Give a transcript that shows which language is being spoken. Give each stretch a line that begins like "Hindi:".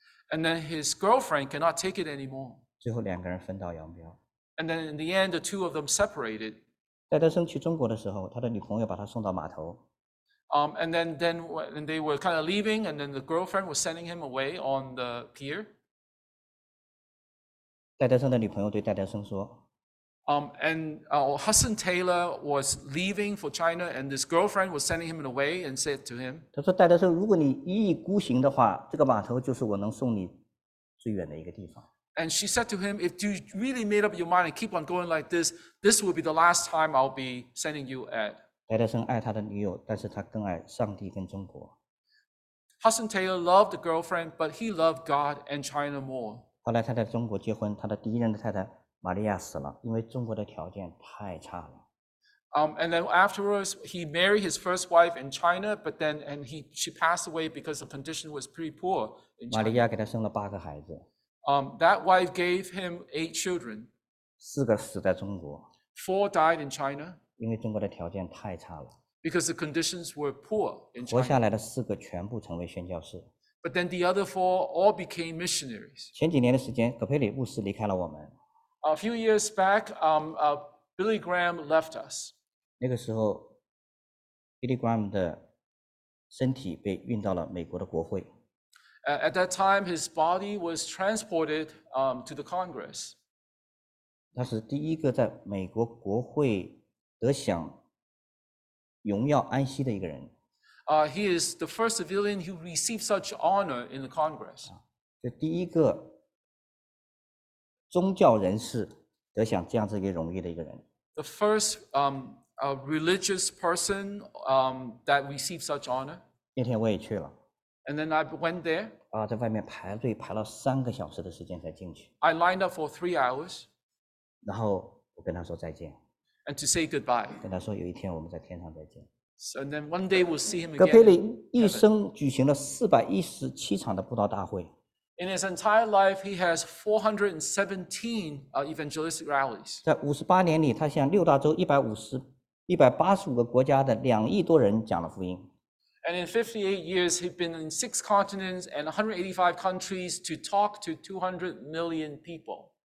English: And then his girlfriend cannot take it anymore.
Chinese: 最后两个人分道扬镳。
English: And then in the end, the two of them separated.
Chinese: 带他生去中国的时候，他的女朋友把他送到码头。
English: And then when they were kind of leaving, and then the girlfriend was sending him away on the pier.
Chinese: 戴德生的女朋友对戴德生说。
English: Hudson Taylor was leaving for China, and this girlfriend was sending him away and said to him.
Chinese: 他说：“戴德生，如果你一意孤行的话，这个码头就是我能送你最远的一个地方。”
English: And she said to him, "If you really made up your mind and keep on going like this, this will be the last time I'll be sending you at."
Chinese: 戴德生爱他的女友，但是他更爱上帝跟中国。
English: Hudson Taylor loved the girlfriend, but he loved God and China more.
Chinese: 后来他在中国结婚，他的第一任的太太玛利亚死了，因为中国的条件太差了。
English: And then afterwards, he married his first wife in China, but then she passed away because the condition was pretty poor in China.
Chinese: 玛利亚给他生了八个孩子。
English: That wife gave him 8 children.
Chinese: 四个死在中国。
English: 4 died in China.
Chinese: 因为中国的条件太差了。
English: Because the conditions were poor in China.
Chinese: 活下来的四个全部成为宣教士。
English: But then the other 4 all became missionaries.
Chinese: 前几年的时间，葛培里牧师离开了我们。
English: A few years back, Billy Graham left us.
Chinese: 那个时候 ，Billy Graham 的身体被运到了美国的国会。
English: At that time, his body was transported to the Congress.
Chinese: 他是第一个在美国国会得享荣耀安息的一个人。
English: He is the first civilian who received such honor in the Congress.
Chinese: 就第一个宗教人士得享这样子一个荣誉的一个人。
English: The first religious person that received such honor.
Chinese: 那天我也去了。
English: And then I went there.
Chinese: 啊，在外面排队排了三个小时的时间才进去。
English: I lined up for 3 hours.
Chinese: 然后我跟他说再见。
English: And to say goodbye.
Chinese: 跟他说有一天我们在天上再见。
English: So then one day we'll see him again.
Chinese: 葛培里一生举行了417场的布道大会。
English: In his entire life, he has 417 evangelistic rallies.
Chinese: 在58年里，他向六大洲185个国家的2亿多人讲了福音。
English: And in 58 years, he'd been in 6 continents and 185 countries to talk to 200 million people.